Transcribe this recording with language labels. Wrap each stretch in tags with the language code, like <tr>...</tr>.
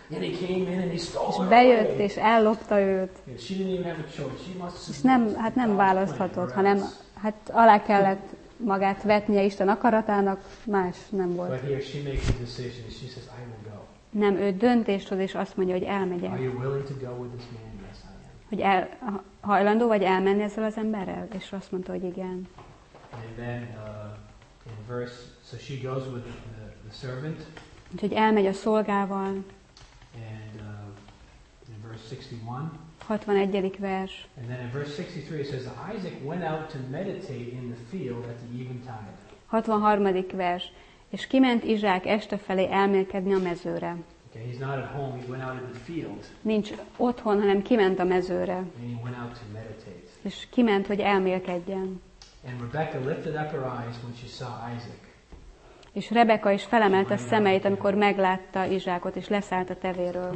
<en>And he came in and he stole</en> <hu>és bejött, és ellopta őt.</hu> <en>Yeah, she didn't even have a choice. She must</en> <hu>és nem, hát nem választhatott, hanem hát alá kellett magát vetnie Isten akaratának, más nem volt.</hu> <en>But here she makes a decision. She says, I will go. Nem, ő döntést hoz, és azt mondja, hogy elmegyek. Are you willing to go with this man? Yes, I am.</en> <hu>Hogy hajlandó vagy elmenni ezzel az emberrel? És azt mondta, hogy igen.</hu> <en>And then in verse, so she goes with the servant.</en> <hu>Úgyhogy elmegy a szolgával.</hu> <en>And in verse 61.</en> <hu>61. vers.</hu> <en>And then in verse 63 it says that Isaac went out to meditate in the field at the eventide.</en> <hu>63. vers. És kiment Izsák este felé elmélkedni a mezőre.</hu> <en>Okay, he's not at home, he went out in the field.</en> <hu>Nincs otthon, hanem kiment a mezőre.</hu> <en>And he went out to meditate.</en> <hu>És kiment, hogy elmélkedjen.</hu> <en>And Rebecca lifted up her eyes when she saw Isaac.</en> <hu>És Rebecca is felemelte a szemeit, amikor meglátta Izsákot, és leszállt a tevéről.</hu>